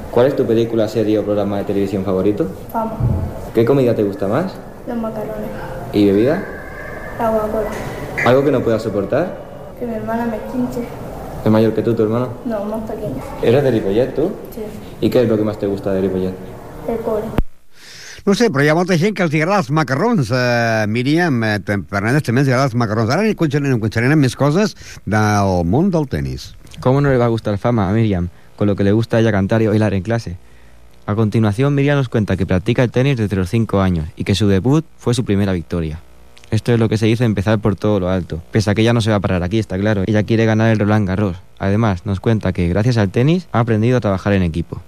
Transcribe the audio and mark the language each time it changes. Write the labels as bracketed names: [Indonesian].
[Spanish] ¿Cuál es tu película, serie o programa de televisión favorito? Vamos. ¿Qué comida te gusta más? Los macarrones. ¿Y bebida? Agua cola. ¿Algo que no puedas soportar? Que mi hermana me chinche. ¿Es mayor que tú, tu hermana? No, más pequeña. ¿Eres de Ripollet, tú? Sí. ¿Y qué es lo que más te gusta de Ripollet? El cole. [Catalan] No sé, però hi ha molta gent que els agrada els macarrons. Miriam Fernández també els agrada els macarrons. Ara n'hi conxerenem més coses del món del tenis. [Spanish] ¿Cómo no le va a gustar fama a Miriam? Con lo que le gusta a ella cantar y bailar en clase. A continuación, Miriam nos cuenta que practica el tenis desde los 5 años y que su debut fue su primera victoria. Esto es lo que se dice empezar por todo lo alto. Pese a que ella no se va a parar aquí, está claro. Ella quiere ganar el Roland Garros. Además, nos cuenta que gracias al tenis ha aprendido a trabajar en equipo.